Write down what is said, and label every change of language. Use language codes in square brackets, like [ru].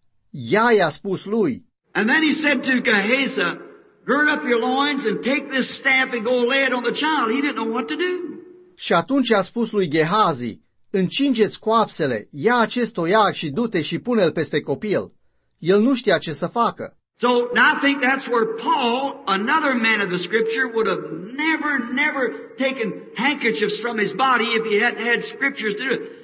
[ro] Ea i-a spus lui. [en] And then he said to Gehazi, "Gird up your loins and take this staff and go lay it on the child." He didn't know what to do. [ro] Și atunci a spus lui Gehazi, "Încinge-ți coapsele, ia acest toiac și du-te și pune-l peste copil." El nu știa ce să facă. [en] So now I think that's where Paul, another man of the scripture, would have never taken handkerchiefs from his body if he hadn't had scriptures to do it.